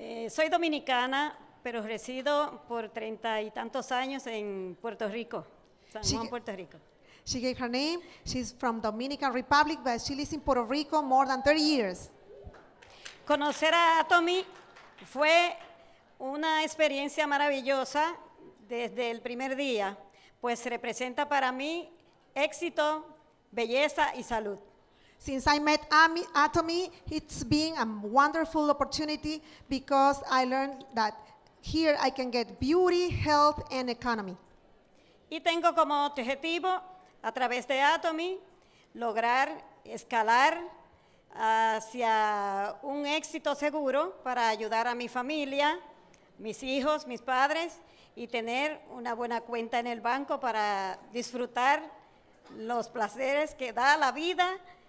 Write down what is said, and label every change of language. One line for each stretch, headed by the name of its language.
Spanish: Soy dominicana, pero resido por 30 y tantos años en Puerto Rico, San Juan, Puerto Rico.
English: She gave her name. She's from Dominican Republic, but she lives in Puerto Rico more than 30 years.
Spanish: Conocer a Atomy fue una experiencia maravillosa desde el primer día, pues representa para mí éxito, belleza y salud.
English: Since I met Atomy, it's been a wonderful opportunity because I learned that here I can get beauty, health, and economy.
Spanish: Y tengo como objetivo, a través de Atomy, lograr escalar hacia un éxito seguro para ayudar a mi familia, mis hijos, mis padres, y tener una buena cuenta en el banco para disfrutar los placeres que da la vida.